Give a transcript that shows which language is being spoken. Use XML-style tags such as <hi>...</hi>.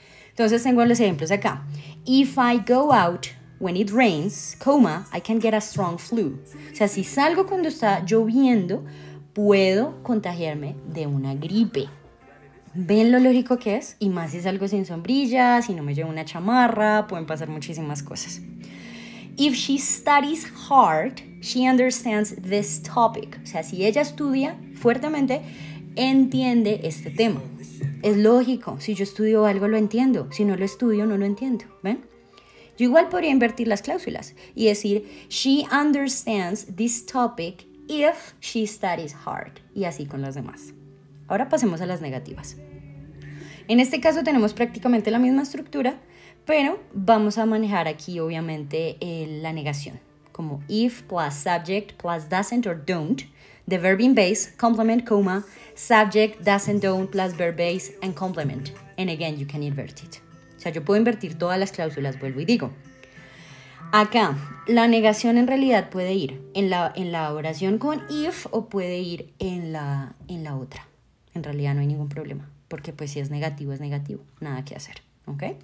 <es>Entonces tengo los ejemplos acá.</es> <en>If I go out when it rains, comma, I can get a strong flu.</en> <es>O sea, si salgo cuando está lloviendo, puedo contagiarme de una gripe. ¿Ven lo lógico que es? Y más si salgo sin sombrilla, si no me llevo una chamarra, pueden pasar muchísimas cosas.</es> <en>If she studies hard, she understands this topic.</en> <es>O sea, si ella estudia fuertemente, entiende este tema. Es lógico, si yo estudio algo lo entiendo, si no lo estudio no lo entiendo, ¿ven? Yo igual podría invertir las cláusulas y decir</es> <en>she understands this topic if she studies hard,</en> <es>y así con las demás. Ahora pasemos a las negativas. En este caso tenemos prácticamente la misma estructura, pero vamos a manejar aquí obviamente la negación, como</es> <en>if plus subject plus doesn't or don't. The verb in base, complement, comma, subject, doesn't, don't, plus verb base, and complement. And again, you can invert it.</en> <es>O sea, yo puedo invertir todas las cláusulas, vuelvo y digo. Acá, la negación en realidad puede ir en la oración con if o puede ir en la otra. En realidad no hay ningún problema, porque pues si es negativo, es negativo. Nada que hacer, ¿ok?</es>